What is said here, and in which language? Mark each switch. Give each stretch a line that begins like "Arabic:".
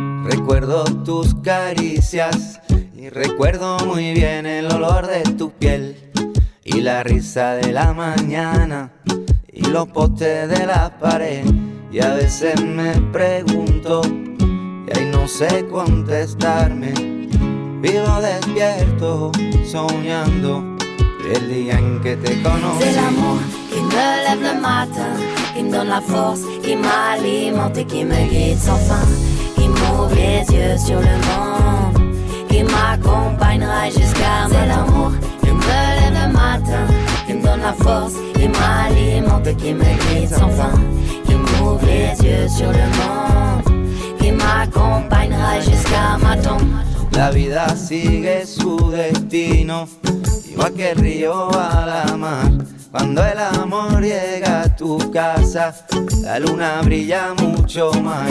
Spanish: Recuerdo tus caricias y recuerdo muy bien el olor de tu piel y la risa de la mañana. Y los postes de la pared, y a veces me pregunto, y ahí no sé contestarme. Vivo despierto, soñando, el día en que te conocí.
French: C'est l'amour qui me lève le matin, qui me donne la force, qui m'alimente, qui me guide sans fin, qui m'ouvre les yeux sur le monde, qui m'accompagnera jusqu'à maintenant. C'est l'amour qui me lève le matin, qui me donne la force. Qui m'alimente, qui me guide sans fin, qui m'ouvre les yeux sur le monde, qui m'accompagnera jusqu'à ma tombe.
Spanish: La vida sigue su destino, igual que el río a la mar. Cuando el amor llega a tu casa, la luna brilla mucho más.